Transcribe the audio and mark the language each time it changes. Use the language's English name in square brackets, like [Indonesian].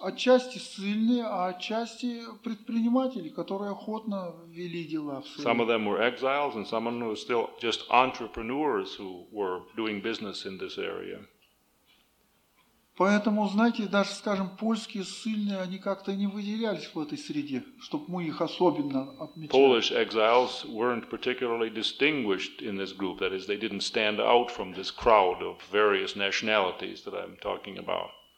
[Russian] Отчасти ссыльные, а отчасти предприниматели, которые охотно вели дела в ссылке. [English] Some of them were exiles, and some of them were still just entrepreneurs who were doing business in this area. [Russian] Поэтому, знаете, даже, скажем, польские ссыльные, они как-то не выделялись в этой среде, чтобы мы их особенно отмечали. [English] Polish exiles weren't particularly distinguished in this group. That is, they didn't stand out from this crowd of various nationalities that I'm talking about.